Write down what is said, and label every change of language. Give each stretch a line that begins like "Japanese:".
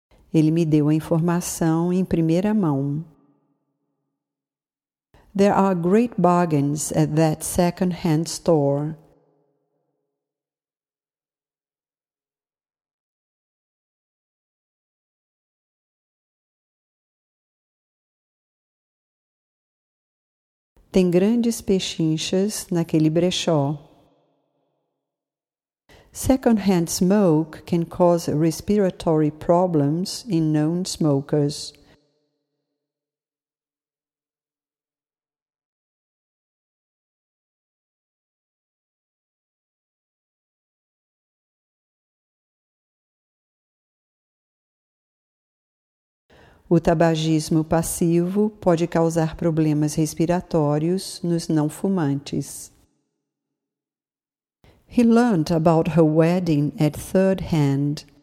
Portuguese: Ele me deu a informação em primeira mão.
English: There are great bargains at that second-hand store.
Portuguese: Tem grandes pechinchas naquele brechó.
English: Second-hand smoke can cause respiratory problems in known smokers.
Portuguese: O tabagismo passivo pode causar problemas respiratórios nos não fumantes.
English: He learned about her wedding at third hand.